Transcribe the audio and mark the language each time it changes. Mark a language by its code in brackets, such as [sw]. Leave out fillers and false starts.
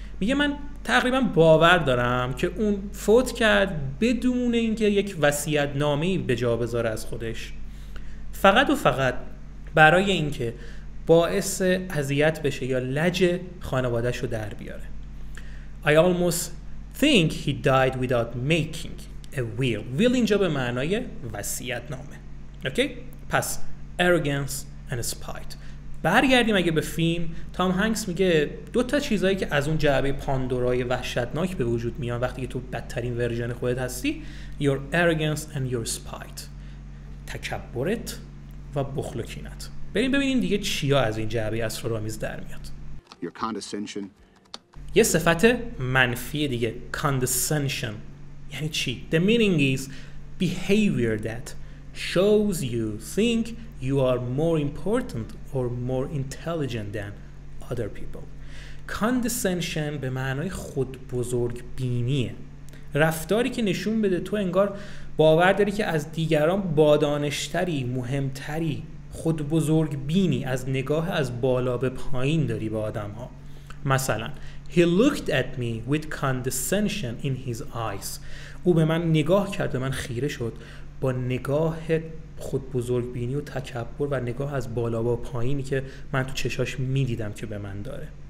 [fa] میگه من تقریبا باور دارم که اون فوت کرد بدون اینکه یک وصیت نامه‌ای به جا بذاره از خودش، فقط و فقط برای اینکه باعث اذیت بشه یا لج خانواده‌اش رو در بیاره. [en] I almost think he died without making a will. [fa] will اینجا به معنای وصیت نامه. اوکی؟ پس [en] arrogance and spite. [fa] برگردیم اگه به فیلم، تام هنگس میگه دو تا چیزایی که از اون جعبه پاندورای وحشتناک به وجود میان وقتی که تو بدترین ورژن خودت هستی، [en] your arrogance and your spite، [fa] تکبرت و بخل و کینت. بریم ببینیم دیگه چیا از این جعبه اسرارآمیز در میاد. [en] your condescension، [fa] یه صفت منفی دیگه، condescension. [en] یعنی چی؟ the meaning is behavior that shows you think you are more important or more intelligent than other people. [fa] condescension به معنای خود بزرگ بینیه، رفتاری که نشون بده تو انگار باور داری که از دیگران بادانشتری، مهمتری، خود بزرگ بینی، از نگاه از بالا به پایین داری با آدم ها. مثلا [en] he looked at me with condescension in his eyes، [fa] او به من نگاه کرد و من خیره شد با نگاه خود بزرگ بینی و تکبر و نگاه از بالا با پایینی که من تو چشاش میدیدم که به من داره.